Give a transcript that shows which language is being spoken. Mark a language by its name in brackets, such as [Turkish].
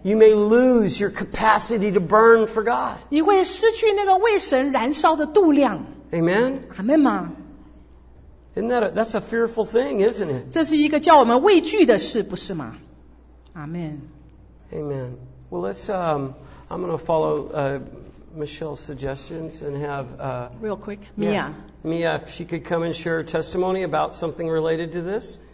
[English] you may lose your capacity to burn for God. [Chinese] 你会失去那个为神燃烧的度量。 [English] Amen? Amen. Isn't that's a fearful thing, isn't it? [Chinese] 这是一个叫我们畏惧的事, 不是吗? [English] Amen. Amen. Well, let's, I'm going to follow, Michelle's suggestions and have real quick, Mia. Yeah, Mia, if she could come and share a testimony about something related to this.